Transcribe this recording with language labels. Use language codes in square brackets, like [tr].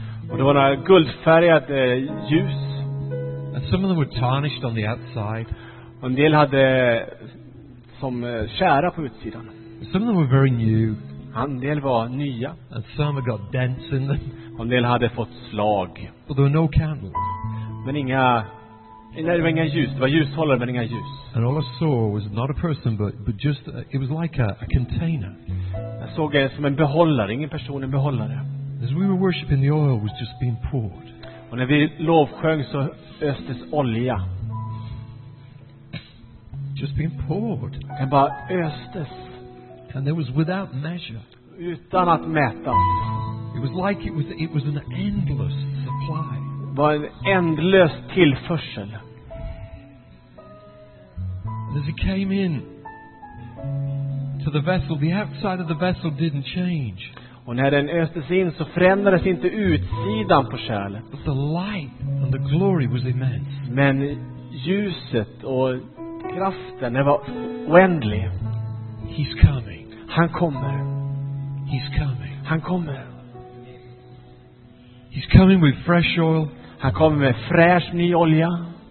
[sv] Och det var några guldfärgat ljus. [en] And some of them were tarnished on the outside. [sv] Och en del hade som kära på utsidan. [en] Some of them were very new. [sv] En del var nya. [en] And some had got dents in them. [sv] Och en del hade fått slag. [en] But there were no candles. [sv] Men inga, det var inga ljus. Det var ljushållare, men inga ljus. [en] And all I saw was not a person, but just it was like a container. [sv] Jag såg det som en behållare, ingen person, en behållare. [en] As we were worshiping, the oil was just being poured. [sv] Och när vi lovsjöng så östes olja. [en] Just being poured. [sv] Den bara östes. [en] And it was without measure. [sv] Utan att mäta. [en] It was like it was an endless supply. [sv] Var en ändlös tillförsel. [en] As it came in to the vessel, the outside of the vessel didn't change. [sv] Och när den östes in så förändrades inte utsidan på kärlet. [en] But the light and the glory was immense. [sv] Men ljuset och kraften, det var oändlig. [en] He's coming. [sv] Han kommer. [en] He's coming. [sv] Han kommer. [en] He's coming with fresh oil. [sv] Han kommer med fräsch ny olja.